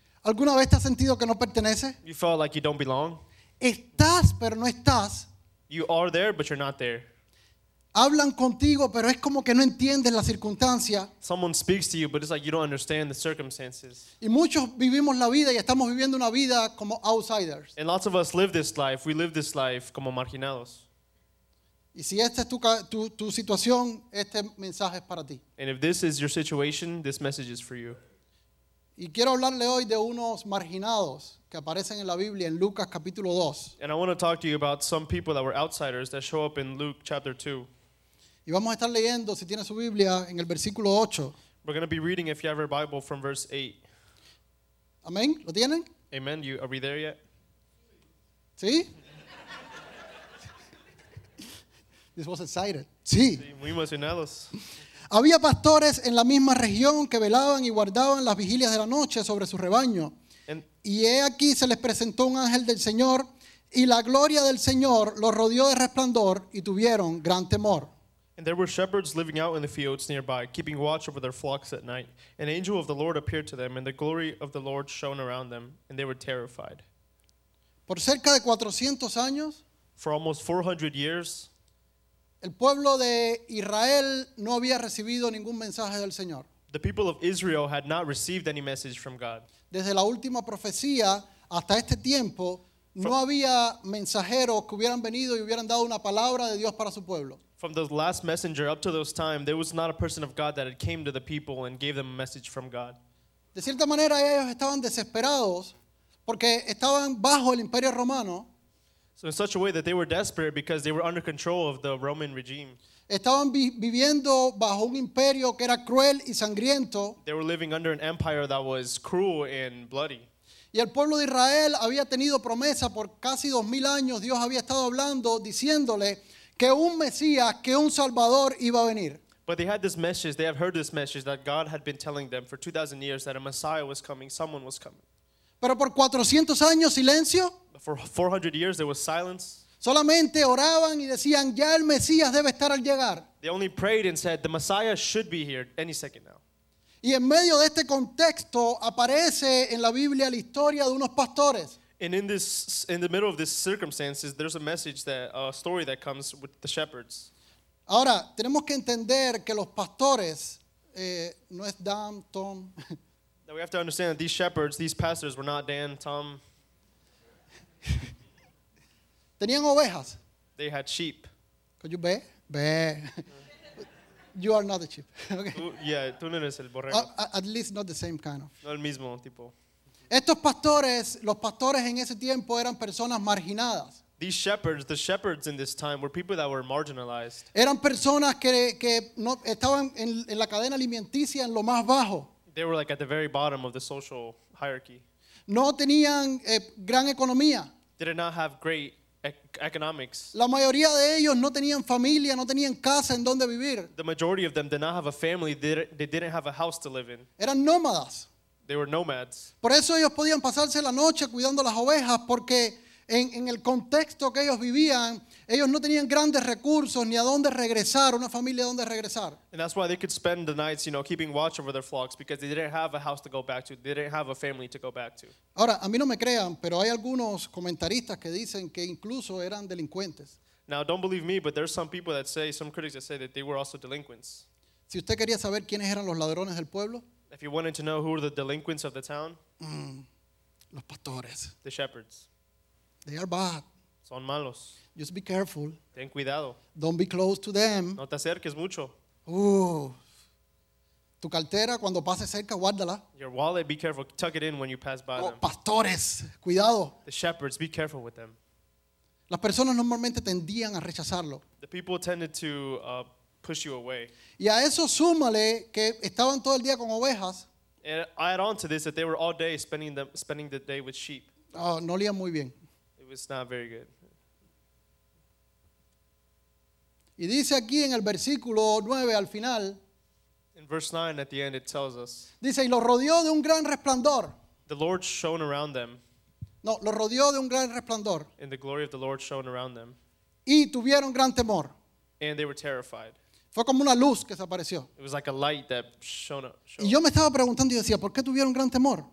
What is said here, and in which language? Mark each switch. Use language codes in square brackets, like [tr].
[es] ¿Alguna vez te has sentido que no pertenece? [en] You felt like you don't belong? [es] Estás, pero no estás. [en] You are there, but you're not there. [es] Hablan contigo, pero es como que no entiendes la circunstancia. [en] Someone speaks to you, but it's like you don't understand the circumstances. [es] Y muchos vivimos la vida y estamos viviendo una vida como outsiders. [en] And lots of us live this life. We live this life [es] como marginados. Y si esta es tu situación, este mensaje es para ti. [en] And if this is your situation, this message is for you. [es] Y quiero hablarle hoy de unos marginados que aparecen en la Biblia en Lucas capítulo 2. [en] And I want to talk to you about some people that were outsiders that show up in Luke chapter 2. [es] Y vamos a estar leyendo, si tiene su Biblia, en el versículo 8. [en] We're going to be reading if you have your Bible from verse 8. [es] ¿Amén? ¿Lo tienen? [en] Amen. Are we there yet? [es] ¿Sí? [en] This was excited. [es] Sí. Muy emocionados. Había pastores en la misma región que velaban y guardaban las vigilias de la noche sobre su rebaño. Y he aquí se les presentó un ángel del Señor, y la gloria del Señor los rodeó de resplandor, y tuvieron gran temor. [en] And there were shepherds living out in the fields nearby, keeping watch over their flocks at night. An angel of the Lord appeared to them, and the glory of the Lord shone around them, and they were terrified. [es] Por cerca de 400 años, [en] for almost 400 years, [es] el pueblo de Israel no había recibido ningún mensaje del Señor. [en] The people of Israel had not received any message from God. [es] Desde la última profecía hasta este tiempo, no había mensajeros que hubieran venido y hubieran dado una palabra de Dios para su pueblo. [en] From the last messenger up to this time, there was not a person of God that had came to the people and gave them a message from God. [es] De cierta manera, ellos estaban desesperados porque estaban bajo el Imperio Romano. [en] So in such a way that they were desperate because they were under control of the Roman regime. [es] Estaban viviendo bajo un imperio que era cruel y sangriento. [en] They were living under an empire that was cruel and bloody. [es] Y el pueblo de Israel había tenido promesa por casi 2,000 años. Dios había estado hablando, diciéndole que un Mesías, que un Salvador iba a venir. [en] But they had this message, they have heard this message that God had been telling them for 2,000 years that a Messiah was coming, someone was coming. [es] Pero por 400 años, silencio. [en] For 400 years there was silence. [es] Solamente oraban y decían, ya el Mesías debe estar al llegar. [en] They only prayed and said, the Messiah should be here any second now. [es] Y en medio de este contexto aparece en la Biblia la historia de unos pastores. [en] And in the middle of this circumstances, there's a message that a story that comes with the shepherds. [es] Ahora, tenemos que entender que los pastores no es Dan, Tom. [en] Now we have to understand that these shepherds, these pastors were not Dan, Tom. [es] Tenían ovejas. [en] They had sheep. Could you be? Be. You are not a sheep. Okay. [es] Yeah, tú no eres el borrego. [en] At least not the same kind of. [es] No el mismo tipo. Estos pastores, los pastores en ese tiempo eran personas marginadas. [en] These shepherds, the shepherds in this time were people that were marginalized. [es] Eran personas que no estaban en la cadena alimenticia en lo más bajo. [en] They were like at the very bottom of the social hierarchy. [es] No tenían gran economía. [en] They did not have great economics. [es] La mayoría de ellos no tenían familia, no tenían casa en donde vivir. [en] The majority of them did not have a family, they didn't have a house to live in. [es] Eran nómadas. [en] They were nomads. [es] Por eso ellos podían pasarse la noche cuidando las ovejas, porque en el contexto que ellos vivían, Ellos no tenían grandes recursos ni a dónde regresar, una familia a dónde regresar. [en] And that's why they could spend the nights, you know, keeping watch over their flocks, because they didn't have a house to go back to, they didn't have a family to go back to. [es] Ahora, a mí no me crean, pero hay algunos comentaristas que dicen que incluso eran delincuentes. [en] Now, don't believe me, but there's some people that say, some critics that say that they were also delinquents. [es] Si usted quería saber quiénes eran los ladrones del pueblo, [en] if you wanted to know who were the delinquents of the town, [es] los pastores, [en] the shepherds, they are bad. [es] Son malos. [en] Just be careful. [es] Ten cuidado. [en] Don't be close to them. [es] No te acerques mucho. Tu cartera, cuando pase cerca, guárdala. [en] Your wallet, be careful. Tuck it in when you pass by them. [es] Pastores, cuidado. [en] The shepherds, be careful with them. [es] Las personas normalmente tendían a rechazarlo. [en] The people tended to push you away. [es] Y a eso súmale que estaban todo el día con ovejas. [en] And add on to this that they were all day spending the day with sheep. [es] Oh, no olían muy bien. [en] It was not very good. [es] Y dice aquí en el versículo 9 al final. [en] In verse 9 at the end it tells us. [es] Dice, y los rodeó de un gran resplandor. [en] The Lord shone around them. [es] No, los rodeó de un gran resplandor. [en] And the glory of the Lord shone around them. [es] Y tuvieron gran temor. [en] And they were terrified. [es] Fue como una luz que desapareció. [en] It was like a light that shone up. [es] Y yo me estaba preguntando y decía, ¿por qué tuvieron gran temor?